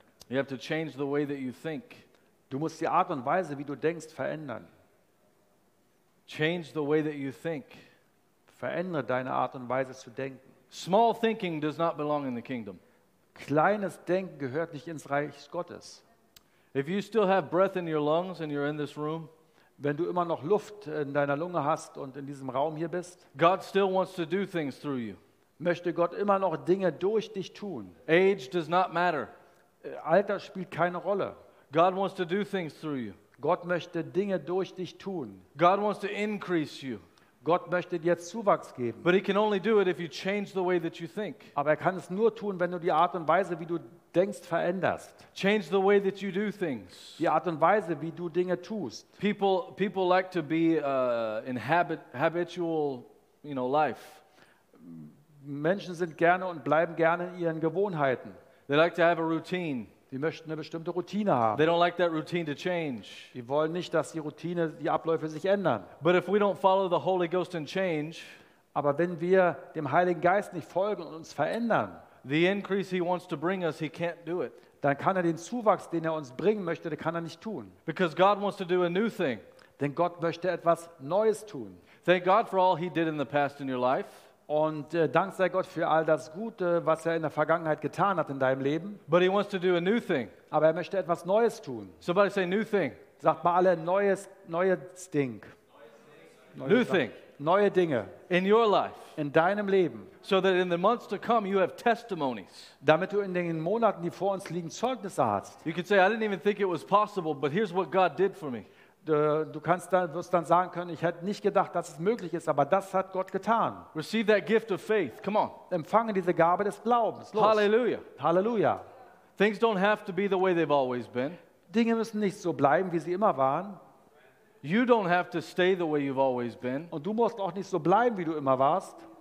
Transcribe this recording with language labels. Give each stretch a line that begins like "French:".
English: You have to change the way that you think.
German: Du musst die Art und Weise, wie du denkst, verändern.
English: Change the way that you think.
German: Verändere deine Art und Weise zu denken.
English: Small thinking does not belong in the kingdom.
German: Kleines Denken gehört nicht ins Reich Gottes.
English: If you still have breath in your lungs and you're in this room,
German: wenn du immer noch Luft in deiner Lunge hast und in diesem Raum hier bist,
English: God still wants to do things through you.
German: Möchte Gott immer noch Dinge durch dich tun.
English: Age does not matter.
German: Alter spielt keine Rolle.
English: God wants to do things through you.
German: Gott möchte Dinge durch dich tun.
English: God wants to increase you.
German: Gott möchte dir jetzt Zuwachs geben.
English: But he can only do it if you change the way that you think.
German: Aber er kann es nur tun, wenn du die Art und Weise, wie du denkst, veränderst.
English: Change the way that you do things.
German: Die Art und Weise, wie du Dinge tust.
English: People like to be in habitual, you know, life.
German: Menschen sind gerne und bleiben gerne in ihren Gewohnheiten.
English: They like to have a routine.
German: Die möchten eine bestimmte Routine haben.
English: They don't like that routine to change.
German: Die wollen nicht, dass die Routine, die Abläufe sich ändern.
English: But if we don't follow the Holy Ghost and change,
German: aber wenn wir dem Heiligen Geist nicht folgen und uns verändern,
English: the increase he wants to bring us, he can't do it.
German: Dann kann er den Zuwachs, den er uns bringen möchte, den kann er nicht tun.
English: Because God wants to do a new thing.
German: Denn Gott möchte etwas Neues tun.
English: Thank God for all he did in the past in your life.
German: Und dank sei Gott für all das Gute, was er in der Vergangenheit getan hat in deinem Leben.
English: But he wants to do a new thing.
German: Aber er möchte etwas Neues tun.
English: Somebody say new thing.
German: Sagt mal alle neues Ding.
English: New thing.
German: Neue Dinge.
English: In your life.
German: In deinem Leben.
English: So that in the months to come you have testimonies.
German: Damit du in den Monaten, die vor uns liegen, Zeugnisse hast.
English: You could say, I didn't even think it was possible, but here's what God did for me.
German: Du kannst dann, wirst dann sagen können, ich hätte nicht gedacht, dass es möglich ist, aber das hat Gott getan.
English: Receive that gift of faith. Come on.
German: Empfange diese Gabe des Glaubens. Los. Halleluja. Halleluja.
English: Things don't have to be the way they've always been.
German: Dinge müssen nicht so bleiben, wie sie immer waren.
English: You don't have to stay the way you've always been.
German: Und du musst auch nicht so bleiben, wie du immer warst.